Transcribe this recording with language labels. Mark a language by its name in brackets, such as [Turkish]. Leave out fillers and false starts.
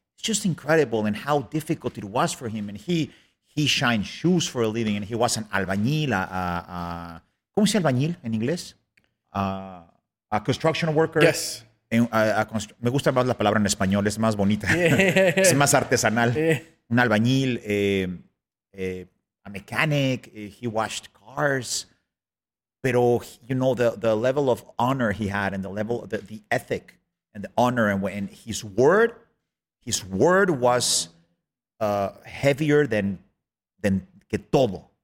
[English] It's just incredible and how difficult it was for him. And he shined shoes for a living and he was an albañil. [Spanish] ¿Cómo se dice albañil en inglés? [English] A construction worker. Yes. [Spanish] Me gusta más la palabra en español, es más bonita. Yeah. Es más artesanal. Yeah. [English] Un albañil, a mechanic, he washed cars. But you know the level of honor he had and the level of the ethic and the honor and his word was heavier than [Spanish] que todo.